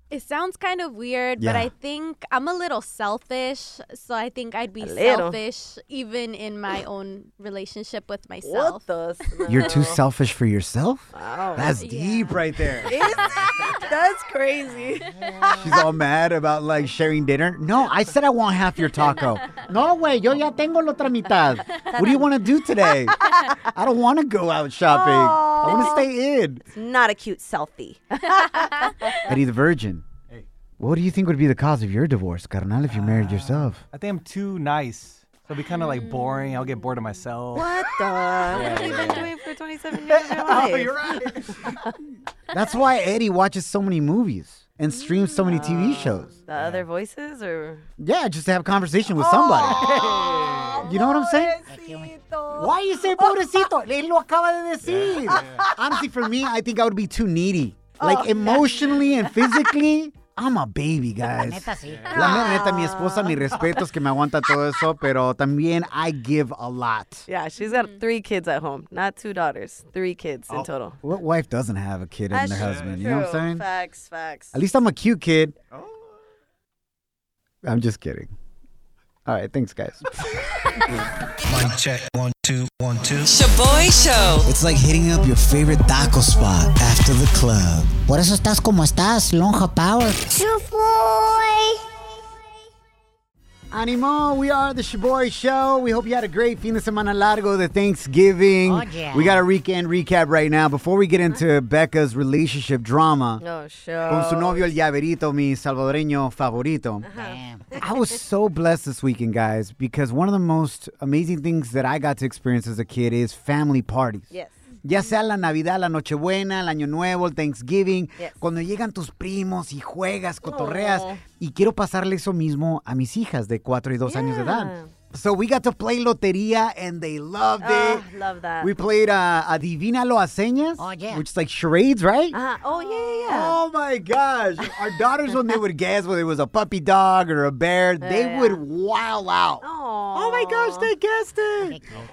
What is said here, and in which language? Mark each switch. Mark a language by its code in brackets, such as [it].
[en] It sounds kind of weird, but I think I'm a little selfish, so I think I'd be selfish even in my own relationship with myself. You're too selfish for yourself? Wow. That's deep right there. That's crazy. She's all mad about, like, sharing dinner. No, I said I want half your taco. No way, [es] yo ya tengo la otra mitad. [en] What do you want to do today? I don't want to go out shopping. Aww. I want to stay in. It's not a cute selfie. Eddie the Virgin, what do you think would be the cause of your divorce, carnal, if you married yourself? I think I'm too nice. So it'll be kind of like boring. I'll get bored of myself. What the? What have you been doing for 27 years of your life? Oh, you're right. That's why Eddie watches so many movies and streams so many TV shows. The other voices or? Yeah, just to have a conversation with somebody. You know what I'm saying? Why you say [es] pobrecito? Él lo acaba de decir. [en] Honestly, for me, I think I would be too needy. Like emotionally and physically. I'm a baby, guys. [es] La neta, sí. La neta, mi esposa, mi respeto es que me aguanta todo eso, pero también [en] I give a lot. Yeah, she's got three kids at home, not two daughters, three kids in total. What wife doesn't have a kid and a husband? True. You know what I'm saying? Facts, facts. At least I'm a cute kid. Oh. I'm just kidding. All right, thanks, guys. Mic check, 1, 2, 1, 2. Shaboy Show. It's like hitting up your favorite taco spot after the club. [es] Por eso estás como estás, lonja power. [en] Shaboy. Animo, we are the Shaboy Show. We hope you had a great [es] fin de semana largo de Thanksgiving. [en] Oh, yeah. We got a weekend recap right now. Before we get into Becca's relationship drama. Oh, sure. [es] Con su novio, el llaverito, mi salvadoreño favorito. [en] Damn. I was so blessed this weekend, guys, because one of the most amazing things that I got to experience as a kid is family parties. Yes. [es] Ya sea la Navidad, la Nochebuena, el Año Nuevo, el Thanksgiving. [en] Yes. [es] Cuando llegan tus primos y juegas, cotorreas. Aww. Y quiero pasarle eso mismo a mis hijas de 4 y 2 años de edad. [en] So we got to play Lotería and they loved it. Love that. We played Adivínalo a Señas. Oh, yeah. Which is like charades, right? Oh, yeah. Oh, my gosh. Our daughters, when they would guess whether it was a puppy dog or a bear, they would wild out. Aww. Oh, my gosh, they guessed it.